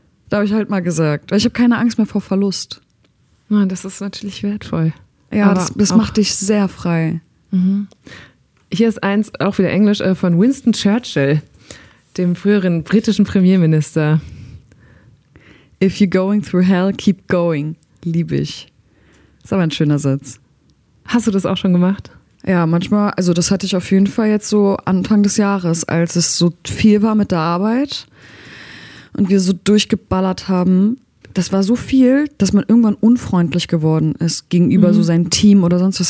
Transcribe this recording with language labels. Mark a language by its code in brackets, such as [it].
[de] Da habe ich halt mal gesagt, weil ich habe keine Angst mehr vor Verlust. Na, das ist natürlich wertvoll. Ja, das macht dich sehr frei. Mhm. Hier ist eins, auch wieder Englisch, von Winston Churchill, dem früheren britischen Premierminister. [en] If you're going through hell, keep going. [de] Liebe ich. Ist aber ein schöner Satz. Hast du das auch schon gemacht? Ja, manchmal, also das hatte ich auf jeden Fall jetzt so Anfang des Jahres, als es so viel war mit der Arbeit und wir so durchgeballert haben. Das war so viel, dass man irgendwann unfreundlich geworden ist gegenüber so seinem Team oder sonst was.